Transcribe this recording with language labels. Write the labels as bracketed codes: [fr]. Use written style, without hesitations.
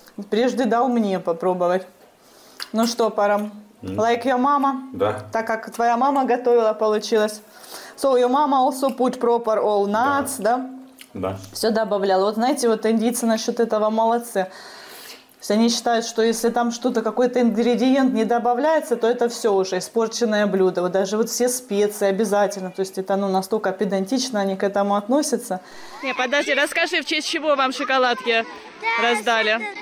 [ru] Прежде дал мне попробовать. Ну что, Парам, [en] like your mama? [ru] Да. Так как твоя мама готовила, получилось. [en] So your mama also put proper all nuts, [ru] да? Да. Все добавляла. Вот знаете, вот индийцы насчет этого молодцы. Все они считают, что если там что-то, какой-то ингредиент не добавляется, то это все уже испорченное блюдо. Вот даже вот все специи обязательно. То есть это, ну, настолько педантично они к этому относятся. Не, подожди, расскажи, в честь чего вам шоколадки раздали?